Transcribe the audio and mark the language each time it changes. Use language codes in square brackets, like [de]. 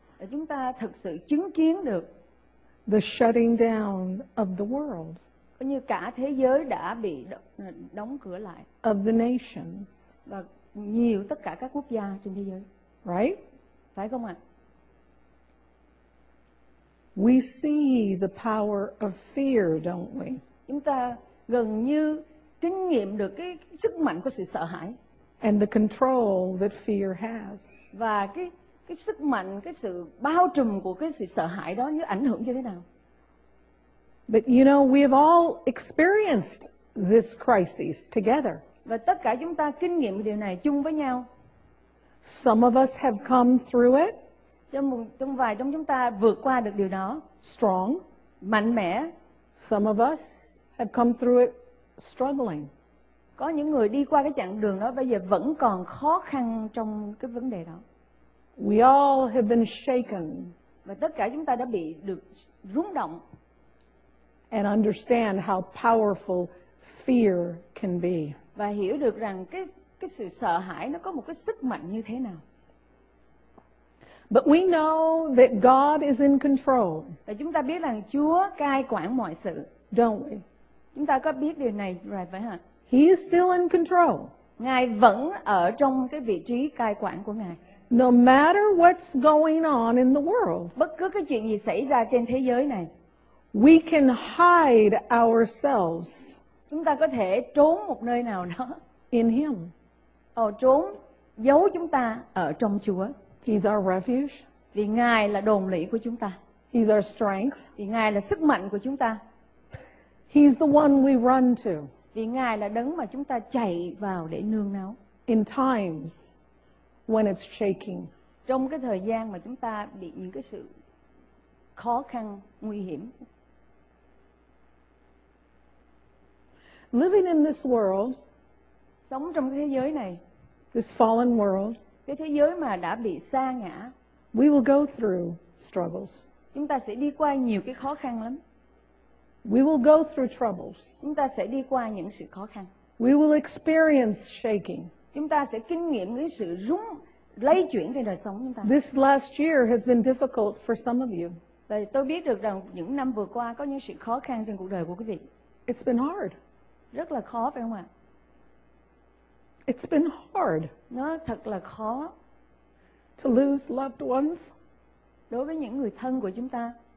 [vi] Chúng ta thực sự chứng kiến được [en] the shutting down of the world. [vi] Coi như cả thế giới đã bị đóng cửa lại. [en] Of the nations. [vi] Và nhiều tất cả các quốc gia trên thế giới. [en] Right? [vi] Phải không ạ? [en] We see the power of fear, don't we? [vi] Chúng ta gần như kinh nghiệm được cái sức mạnh của sự sợ hãi. [en] And the control that fear has. [vi] Và cái sức mạnh, cái sự bao trùm của cái sự sợ hãi đó như ảnh hưởng như thế nào? [en] But you know, we have all experienced this crisis together. [vi] Và tất cả chúng ta kinh nghiệm điều này chung với nhau. [en] Some of us have come through it. [vi] Trong vài trong chúng ta vượt qua được điều đó. [en] Strong. [vi] Mạnh mẽ. [en] Some of us have come through it struggling. [vi] Có những người đi qua cái chặng đường đó bây giờ vẫn còn khó khăn trong cái vấn đề đó. [en] We all have been shaken. [vi] Và tất cả chúng ta đã bị được rung động. [en] And understand how powerful fear can be. [vi] Và hiểu được rằng cái sự sợ hãi nó có một cái sức mạnh như thế nào. [en] But we know that God is in control. [vi] Và chúng ta biết rằng Chúa cai quản mọi sự. [en] Don't we? [vi] Chúng ta có biết điều này rồi phải hả? [en] He is still in control. [vi] Ngài vẫn ở trong cái vị trí cai quản của Ngài. [en] No matter what's going on in the world. [vi] Bất cứ cái chuyện gì xảy ra trên thế giới này. [en] We can hide ourselves. [vi] Chúng ta có thể trốn một nơi nào đó. [en] In Him. [vi] Ở trốn, giấu chúng ta ở trong Chúa. [en] He's our refuge. [vi] Vì Ngài là đồn lũy của chúng ta. [en] He's our strength. [vi] Vì Ngài là sức mạnh của chúng ta. [en] He's the one we run to. [vi] Vì Ngài là đấng mà chúng ta chạy vào để nương náu. [en] In times when it's shaking. [vi] Trong cái thời gian mà chúng ta bị những cái sự khó khăn, nguy hiểm. [en] Living in this world, [vi] sống trong cái thế giới này, [en] this fallen world, [vi] cái thế giới mà đã bị sa ngã, [en] we will go through struggles. [vi] Chúng ta sẽ đi qua nhiều cái khó khăn lắm. [en] We will go through troubles. [vi] Chúng ta sẽ đi qua những sự khó khăn. [en] We will experience shaking. [vi] Chúng ta sẽ kinh nghiệm những sự rung lay chuyển trên đời sống chúng ta. [en] This last year has been difficult for some of you. [vi] Và tôi biết được rằng những năm vừa qua có những sự khó khăn trên cuộc đời của quý vị. [en] It's been hard. [vi] Rất là khó phải không ạ? [en] It's been hard. [vi] Nó thật là khó. [en] To lose loved ones. [vi] Đối với những người thân của chúng ta.